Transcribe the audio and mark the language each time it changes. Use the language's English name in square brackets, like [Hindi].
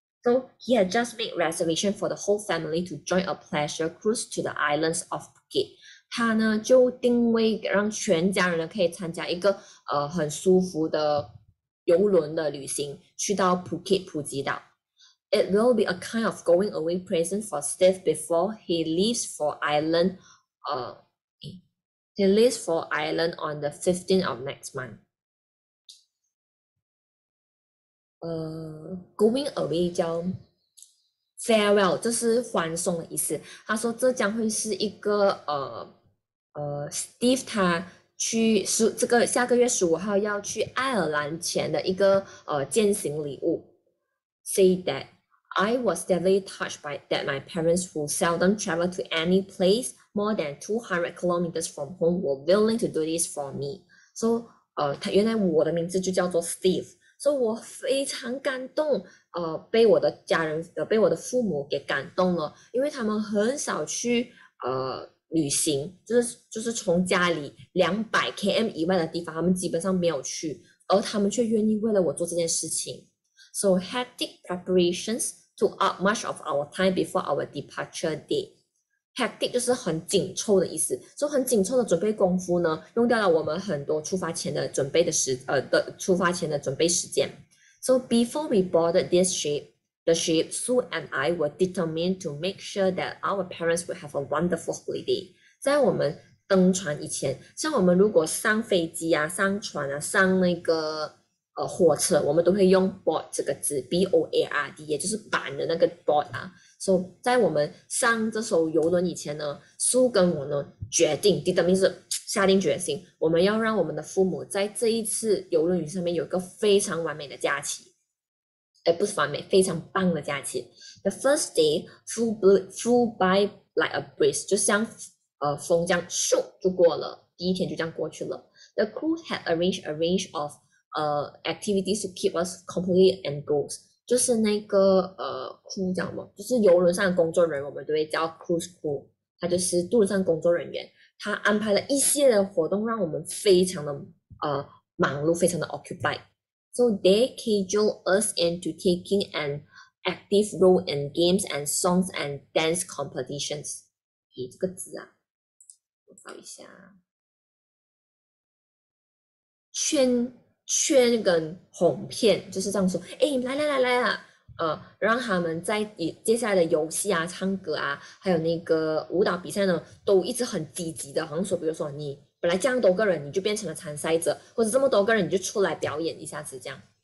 [English] So he had just made reservation for the whole family to join a pleasure cruise to the islands of Phuket。 [Chinese] 他呢就定位让全家人呢可以参加一个很舒服的游轮的旅行，去到 Phuket 普吉岛。 [English] It will be a kind of going away present for Steve before he leaves for Ireland. He leaves for Ireland on the 15th of next month. Going away [Chinese] 叫 farewell，这是欢送的意思。他说这将会是一个Steve 他去十这个下个月15号要去爱尔兰前的一个践行礼物。 [English] Say that. I was deeply touched by that my parents, who seldom travel to any place more than 200 kilometers from home, were willing to do this for me. [Chinese] So，他原来我的名字就叫做 Steve，所以我非常感动，被我的家人，被我的父母给感动了，因为他们很少去旅行，就是从家里200 km 以外的地方，他们基本上没有去，而他们却愿意为了我做这件事情。 [English] So hectic preparations took up much of our time before our departure date. [Chinese] Hectic 就是很紧凑的意思，所以很紧凑的准备功夫呢，用掉了我们很多出发前的准备的时呃的出发前的准备时间。 [English] So before we boarded this ship, the ship, Sue and I were determined to make sure that our parents would have a wonderful holiday. [Chinese] 在我们登船以前，像我们如果上飞机啊、上船啊、上那个。火车，我们都会用 board 这个字，board，也就是板的那个 board 啊。所、so, 以在我们上这艘游轮以前呢，苏跟我呢决定，determine 是下定决心，我们要让我们的父母在这一次游轮旅上面有个非常完美的假期，哎，不是完美，非常棒的假期。 [English] The first day flew by like a breeze， [Chinese] 就像风这样咻就过了，第一天就这样过去了。 [English] The crew had arranged a range of activities to keep us completely engrossed， [Chinese] 就是那个crew 叫什么？就是游轮上的工作人员，我们都会叫 cruise crew，他就是渡轮上工作人员。他安排了一系列的活动，让我们非常的忙碌，非常的 occupied。 [English] So they cajoled us into taking an active role in games and songs and dance competitions。 [Chinese] 诶，这个字啊，我找一下，圈。圈跟哄骗就是这样说，哎，来来来来啊，让他们在接下来的游戏啊、唱歌啊，还有那个舞蹈比赛呢，都一直很积极的。好像说，比如说你本来这样多个人，你就变成了参赛者，或者这么多个人你就出来表演一下子这样。